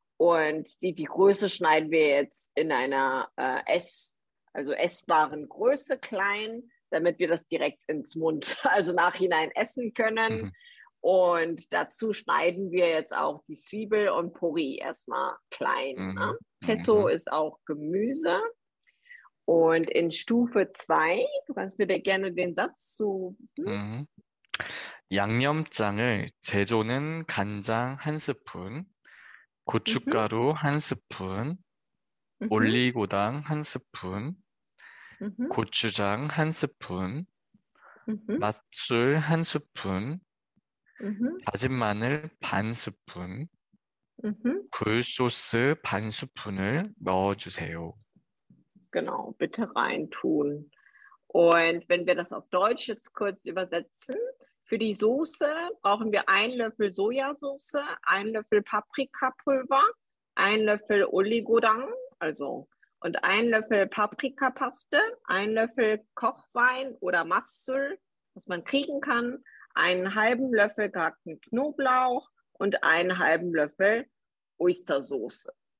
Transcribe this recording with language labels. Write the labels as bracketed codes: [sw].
[de] Und die Größe schneiden wir jetzt in einer also essbaren Größe klein, damit wir das direkt ins Mund, also nachhinein essen können. Und dazu schneiden wir jetzt auch die Zwiebel und Puri erstmal klein. Ne? Tesso ist auch Gemüse. Und in Stufe 2, du kannst mir da gerne den Satz zurufen. [ko] 양념장을 제조는 간장 한 스푼, 고춧가루 한 스푼, 올리고당 한 스푼, 고추장 한 스푼, 맛술 한 스푼, 다진 마늘 반 스푼, 굴소스 반 스푼을 넣어주세요. [de] Genau, bitte reintun. Und wenn wir das auf Deutsch jetzt kurz übersetzen, für die Soße brauchen wir einen Löffel Sojasauce, einen Löffel Paprikapulver, einen Löffel Oligodang, also und einen Löffel Paprikapaste, einen Löffel Kochwein oder Massöl, was man kriegen kann, einen halben Löffel gehackten Knoblauch und einen halben Löffel Oystersoße.